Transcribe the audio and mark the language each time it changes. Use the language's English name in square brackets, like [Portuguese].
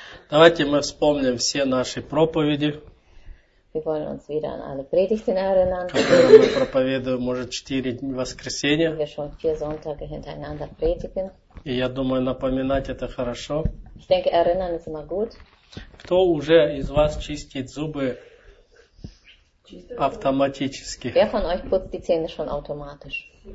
[Russian] Давайте мы вспомним все наши проповеди. [German] Wir wollen uns wieder an alle Predigten erinnern. [Russian] Которые мы проповедуем уже 4 воскресенья. [German] Wir schon 4 Sonntage hintereinander predigen. [Russian] И я думаю, напоминать это хорошо. [German] Ich denke, erinnern ist immer gut. [Russian] Кто уже из вас чистит зубы автоматически? [German] Wer von euch putzt die Zähne schon automatisch?